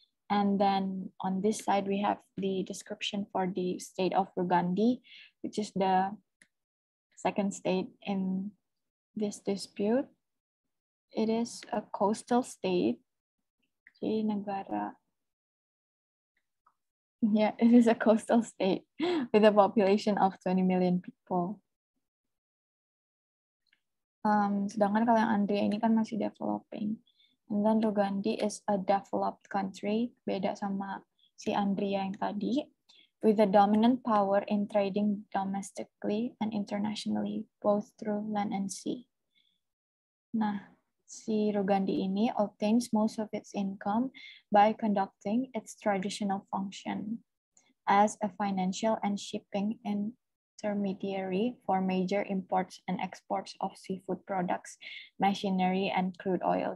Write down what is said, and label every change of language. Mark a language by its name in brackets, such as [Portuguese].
[English] And then on this side, we have the description for the state of Rugandi, which is the second state in this dispute. It is a coastal state. [Indonesian] Jadi negara. [English] Yeah, it is a coastal state with a population of 20 million people. [Indonesian] Sedangkan kalau yang Andrea ini kan masih developing. [English] And then Rugandi is a developed country, [Indonesian] beda sama si Andrea yang tadi, [English] with a dominant power in trading domestically and internationally, both through land and sea. [Indonesian] Nah, si Rugandi ini [English] obtains most of its income by conducting its traditional function as a financial and shipping intermediary for major imports and exports of seafood products, machinery, and crude oil.